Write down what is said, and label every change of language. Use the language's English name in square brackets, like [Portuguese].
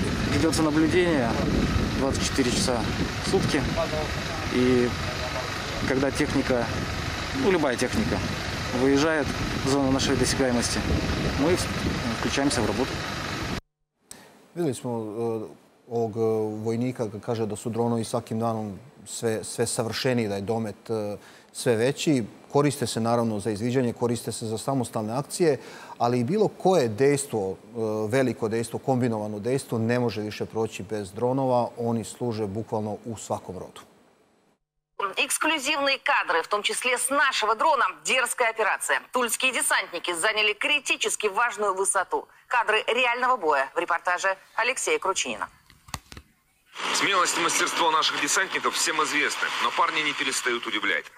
[Russian] Ведется наблюдение 24 часа в сутки, и когда техника, ну любая техника, выезжает в зону нашей досягаемости, мы включаемся в работу. Видели мы [Serbian] ovog vojnika, как каже, да су дронови сваким даном све савршенији, да је домет све већи. Користе се, наравно, за извиђање, користе се за самостални акције, али и било које дејство, велико дејство, комбиновано дејство, не може више проћи без дронова. Они служе буквално у сваком роду. [Russian] Эксклюзивные кадры, в том числе с нашего дрона, дерзкая операция. Тульские десантники заняли критически важную высоту. Кадры реального боя в репортаже Алексея Кручинина. Смелость и мастерство наших десантников всем известны, но парни не перестают удивлять.